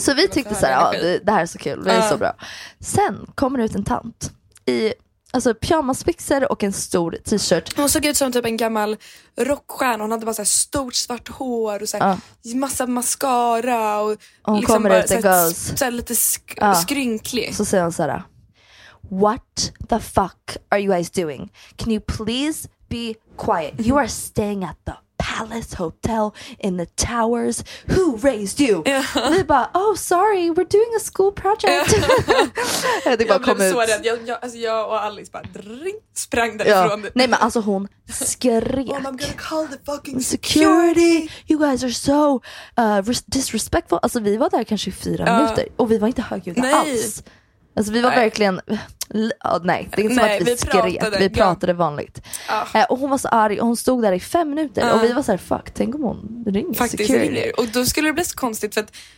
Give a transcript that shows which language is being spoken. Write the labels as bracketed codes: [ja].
[sv] Så vi tyckte så här, det här är så kul, det är så bra. Sen kommer det ut en tant i, alltså, pyjamasbyxor och en stor t-shirt. Hon såg ut som typ en gammal rockstjärna. Hon hade bara så här stort svart hår och så här massa mascara. Och hon liksom kommer bara ut så här lite skrynklig. Så säger hon så här, [en] what the fuck are you guys doing? Can you please be quiet? You are staying at the Palace Hotel in the towers. Who raised you? Yeah. [sv] Det är bara, [en] oh, sorry, we're doing a school project. [sv] Det är bara, jag blev så rädd. Jag och Alice bara sprang därifrån. Ja. Nej, men alltså hon skrek. [en] Well, I'm gonna call the fucking security. You guys are so disrespectful. [sv] Alltså vi var där kanske 4 minuter. Och vi var inte högljudda alls. Alltså vi var verkligen... nej, det är inte som att vi skrek. Vi pratade vanligt. Och hon var så arg och hon stod där i 5 minuter. Och vi var så här, fuck, tänk om hon ringer. Faktiskt ringer. Och då skulle det bli så konstigt för att...